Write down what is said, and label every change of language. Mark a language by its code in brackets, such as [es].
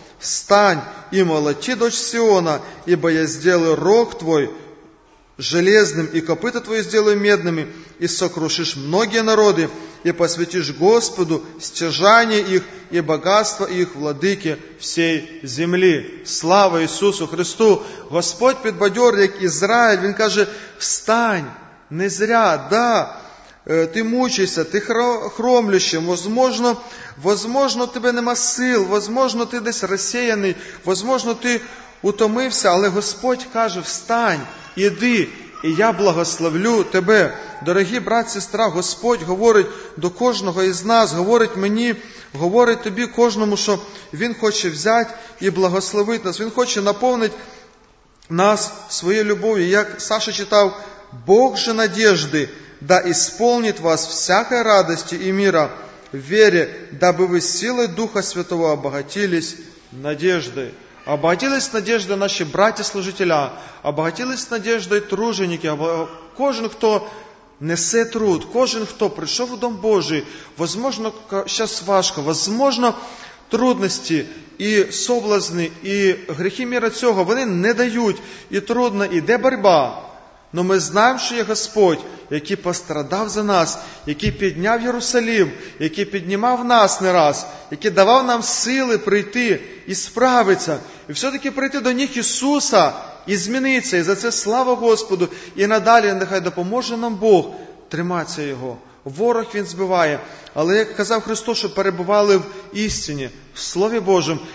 [ru] Встань и молоти, дочь Сиона, ибо я сделаю рог твой железным, и копыта твои сделаю медными, и сокрушишь многие народы, и посвятишь Господу стяжание их и богатство их, владыке всей земли». Слава Иисусу Христу! [uk] Господь підбадьорить, як Израиль, Він каже: «Встань! Не зря, да, ти мучишся, ти хромлюще, возможно, тебе нема сил, возможно, ти десь розсіяний, возможно, ти утомився, але Господь каже: встань, іди, і я благословлю тебе». Дорогі брат, сестра, Господь говорить до кожного із нас, говорить мені, говорить тобі, кожному, що Він хоче взяти і благословити нас, Він хоче наповнити нас своєю любов'ю. Як Саша читав: [ru] «Бог же надежды, да исполнит вас всякой радости и мира в вере, дабы вы силой Духа Святого обогатились надеждой». Обогатились надеждой наши братья-служителя, обогатились надеждой труженики, кожен, кто несе труд, кожен, кто пришел в Дом Божий, возможно, сейчас важко, возможно, трудности и соблазны, и грехи мира [uk] цього, вони не дають, [ru] и трудно, и де борьба. [uk] Но ми знаємо, що є Господь, який пострадав за нас, який підняв Єрусалим, який піднімав нас не раз, який давав нам сили прийти і справитися, і все-таки прийти до них Ісуса і змінитися. І за це слава Господу. І надалі нехай допоможе нам Бог триматися Його. Ворог Він збиває. Але, як казав Христос, що перебували в істині, в Слові Божому.